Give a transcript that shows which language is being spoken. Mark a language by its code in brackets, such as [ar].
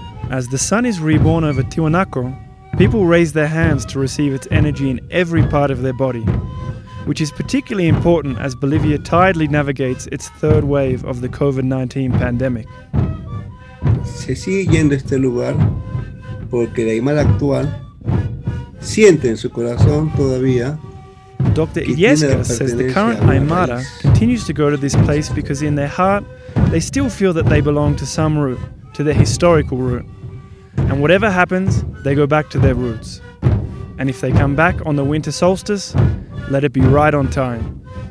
[en] As the sun is reborn over Tiwanaku, people raise their hands to receive its energy in every part of their body, which is particularly important as Bolivia tidily navigates its third wave of the COVID-19 pandemic. [es] Se sigue yendo a este lugar porque la Aymara actual siente en su corazón todavía. [en] Dr. Ilescas says the current Aymara continues to go to this place because in their heart they still feel that they belong to some root, to their historical root. And whatever happens, they go back to their roots. And if they come back on the winter solstice, let it be right on time.